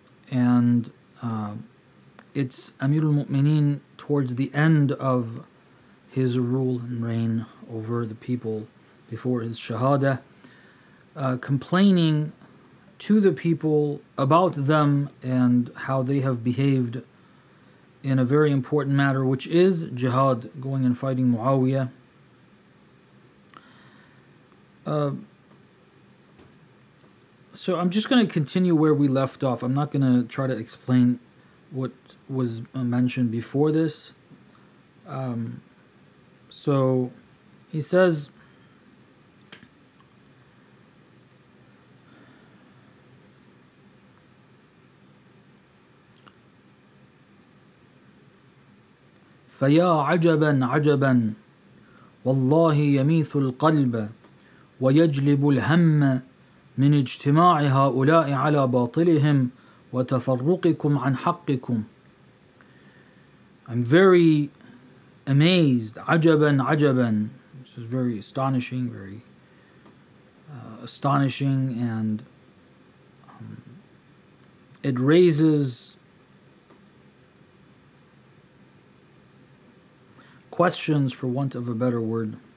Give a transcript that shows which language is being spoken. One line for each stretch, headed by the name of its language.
English: And it's Amir al-Mu'minin towards the end of his rule and reign over the people before his shahada, complaining to the people about them and how they have behaved in a very important matter, which is jihad, going and fighting Muawiyah. So I'm just going to continue where we left off. I'm not going to try to explain what was mentioned before this. So he says,
Arabic: فَيَا عَجَبًا عَجَبًا وَاللَّهِ يَمِيثُ الْقَلْبَ ويجلب الهم من اجتماع هؤلاء على باطلهم وتفرقكم عن حقكم.
English: I'm very amazed,
Arabic: عجباً عجباً.
English: This is very astonishing, very astonishing, and it raises questions, for want of a better word.